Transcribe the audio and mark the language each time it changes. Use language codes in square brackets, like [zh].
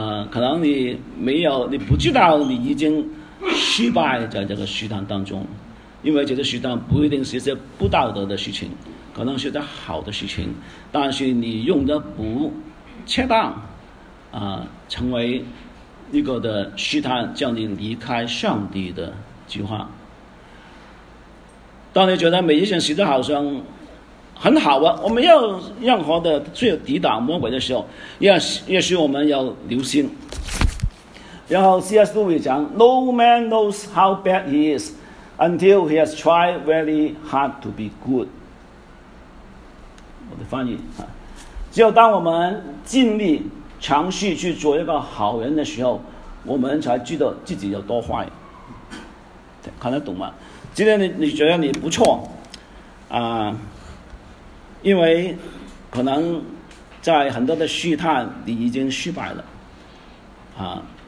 [zh] 可能你没有，你不知道你已经失败在这个试探当中，因为这个试探不一定是一些不道德的事情，可能是一些好的事情，但是你用的不恰当，成为一个的试探，叫你离开上帝的计划。当你觉得每一件事都好像很好啊，我没有任何的去抵挡魔鬼的时候，也许我们要留心。然后 C.S. [en] Lewis [zh] 讲 [en] ：“No man knows how bad he is until he has tried very hard to be good。” [zh] 我的翻译啊，只有当我们尽力尝试去做一个好人的时候，我们才知道自己有多坏。看得懂吗？今天你觉得你不错啊，因为可能在很多的试探你已经失败了啊。